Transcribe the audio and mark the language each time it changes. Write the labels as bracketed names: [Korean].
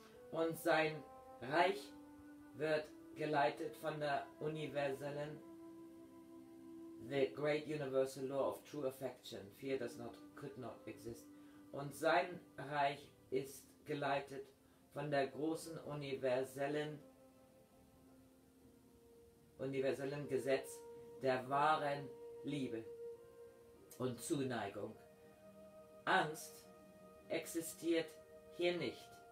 [German] Und sein Reich wird geleitet von der universellen [English] The Great Universal Law of True Affection. Fear does not, could not exist. [German] Und sein Reich ist geleitet von der großen universellen Gesetz der wahren Liebe und Zuneigung. Angst existiert hier nicht.